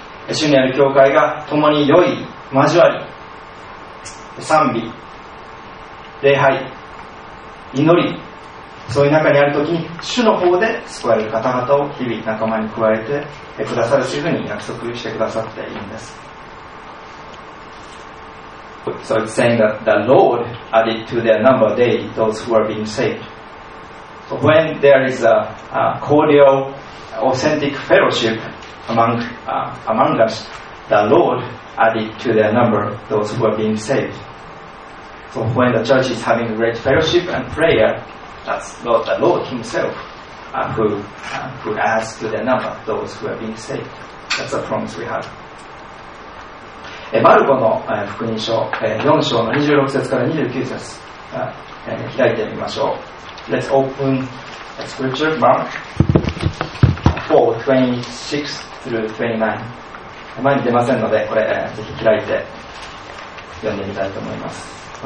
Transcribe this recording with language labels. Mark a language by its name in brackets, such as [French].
[Japanese] 主にある教会が共に良い交わり、賛美、礼拝、祈り、そういう中にあるときに、主の方で救われる方々を日々仲間に加えてくださるというふうに約束してくださっているんです。 [English] So it's saying that the Lord added to their number daily those who are being saved. So when there is a cordial authentic fellowship among us, the Lord added to their number those who are being saved. So when the church is having great fellowship and prayer, that's not the Lord himself who adds to their number those who are being saved. That's a promise we have. [Japanese] マルコの福音書4章の26節から29節開いてみましょう。 [English] Let's open a scripture Mark 4:26-29。 [Japanese] 前に出ませんのでこれぜひ開いて読んでみたいと思います。